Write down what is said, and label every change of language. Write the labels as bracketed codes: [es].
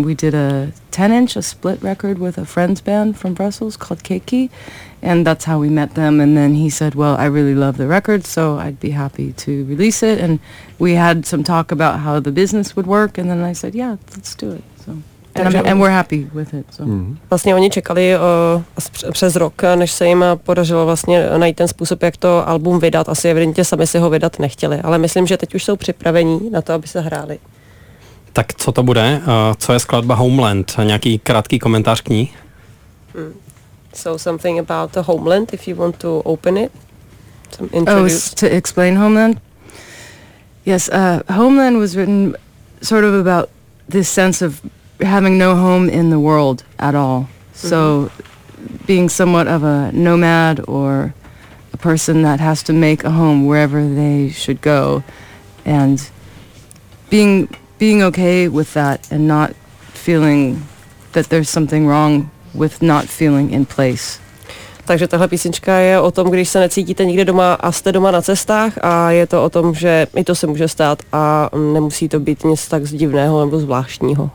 [en] We did a 10-inch, a split record with a friend's band from Brussels called Keiki, and that's how we met them. And then he said, well, I really love the record, so I'd be happy to release it. And we had some talk about how the business would work, and then I said, yeah, let's do it. So And we're happy with it. So. Mm-hmm. [cs] Vlastně oni čekali přes rok, než se jim podařilo vlastně najít ten způsob, jak to album vydat. Asi evidentně sami si ho vydat nechtěli, ale myslím, že teď už jsou připravení na to, aby se hráli. Tak co to bude? Co je skladba Homeland? Nějaký krátký komentář k ní? [en] So something about the Homeland, if you want to open it. Some introduce. Oh, to explain Homeland? Yes, Homeland was written sort of about this sense of having no home in the world at all. So being somewhat of a nomad or a person that has to make a home wherever they should go, and being okay with that and not feeling that there's something wrong with not feeling in place. [cs] Takže tahle písnička je o tom, když se necítíte nikde doma a jste doma na cestách, a je to o tom, že i to se může stát a nemusí to být nic tak divného nebo zvláštního.